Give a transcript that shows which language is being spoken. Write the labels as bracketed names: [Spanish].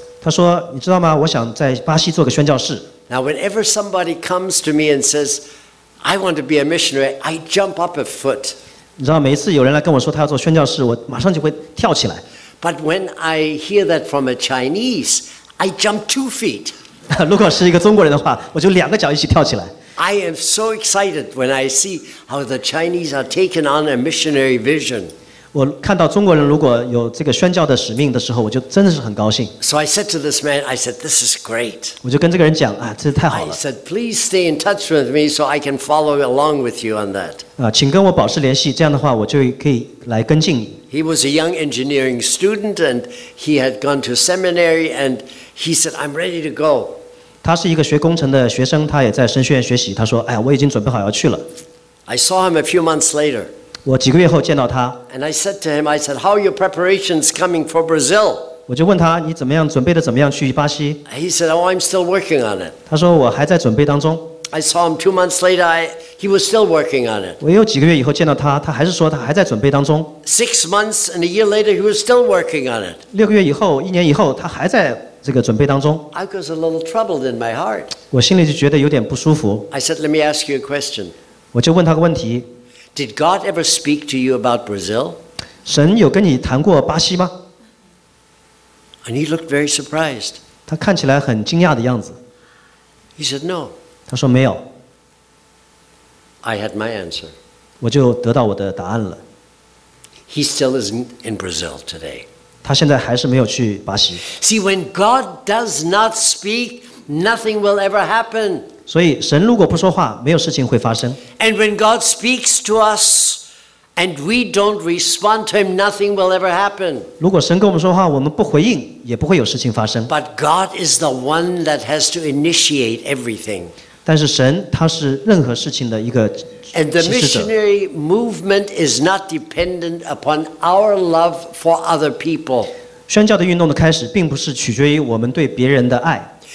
[Chinese] 他说，你知道吗？我想在巴西做个宣教士。 [English] Now, whenever somebody comes to me and says, "I want to be a missionary," I jump up a foot. [Chinese] 你知道，每一次有人来跟我说他要做宣教士，我马上就会跳起来。 [English] But when I hear that from a Chinese, I jump 2 feet. [Chinese] 如果是一个中国人的话，我就两个脚一起跳起来。 [English] I am so excited when I see how the Chinese are taking on a missionary vision. [Chinese] 我看到中国人如果有这个宣教的使命的时候，我就真的是很高兴。 [English] So I said to this man, I said, "This is great." [Chinese] 我就跟这个人讲啊，这太好了。 [English] I said, "Please stay in touch with me so I can follow along with you on that." [Chinese] 啊，请跟我保持联系，这样的话我就可以来跟进你。 [English] He was a young engineering student and he had gone to seminary and. He said, "I'm ready to go." [Chinese] 他是一个学工程的学生，他也在神学院学习。他说：“哎，我已经准备好要去了。” [English] I saw him a few months later. [Chinese] 我几个月后见到他。 [English] And I said to him, "I said, how are your preparations coming for Brazil?" [Chinese] 我就问他：“你怎么样准备的？怎么样去巴西？” [English] He said, "Oh, I'm still working on it." [Chinese] 他说：“我还在准备当中。” [English] I saw him 2 months later. He was still working on it. [Chinese] 我又几个月以后见到他，他还是说他还在准备当中。 [English] 6 months and a year later, he was still working on it. [Chinese] 六个月以后，一年以后，他还在。这个准备当中 [English] I was a little troubled in my heart. [Chinese] 我心里就觉得有点不舒服。 [English] I said, "Let me ask you a question." [Chinese] 我就问他个问题。 [English] Did God ever speak to you about Brazil? [Chinese] 神有跟你谈过巴西吗？ [English] And he looked very surprised. [Chinese] 他看起来很惊讶的样子。 [English] He said, no. [Chinese] 他说没有。 [English] I had my answer. [Chinese] 我就得到我的答案了。 [English] He still isn't in Brazil today. [Chinese] 他现在还是没有去巴西。 [English] See, when God does not speak, nothing will ever happen. [Chinese] 所以神如果不说话，没有事情会发生。 [English] And when God speaks to us,And we don't respond to him, nothing will ever happen. [Chinese] 如果神跟我们说话，我们不回应，也不会有事情发生。 [English] But God is the one that has to initiate everything. [Chinese] 但是神他是任何事情的一个起始者。 [English] And the missionary movement is not dependent upon our love for other people. [Chinese] 宣教的运动的开始并不是取决于我们对别人的爱。